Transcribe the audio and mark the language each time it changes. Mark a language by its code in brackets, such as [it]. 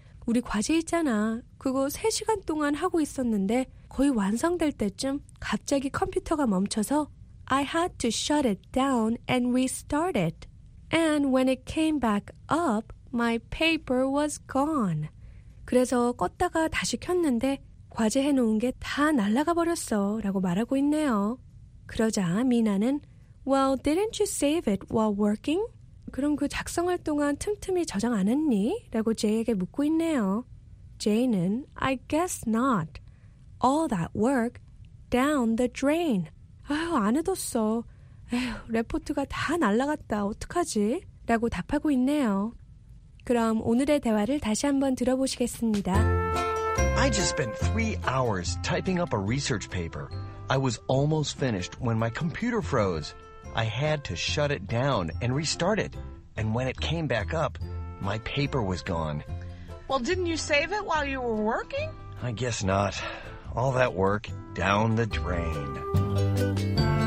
[ko] 우리 과제 있잖아. 그거 3시간 동안 하고 있었는데 거의 완성될 때쯤 갑자기 컴퓨터가 멈춰서 [en] I had to shut it down and restart it. And when it came back up, my paper was gone. [ko] 그래서 껐다가 다시 켰는데 과제해놓은 게 다 날아가 버렸어 라고 말하고 있네요. 그러자 미나는 [en] Well, didn't you save it while working? [ko] 그럼 그 작성할 동안 틈틈이 저장 안 했니? 라고 제이에게 묻고 있네요. [en] 제이는 I guess not. All that work down the drain. [ko] 아휴, 안 해뒀어. 에휴, 레포트가 다 날아갔다. 어떡하지? 라고 답하고 있네요. 그럼 오늘의 대화를 다시 한번 들어보시겠습니다. [en] I just spent 3 hours typing up a research paper. I was almost finished when my computer froze. I had to shut it down and restart it. And when it came back up, my paper was gone. Well, didn't you save it while you were working? I guess not. All that work down the drain.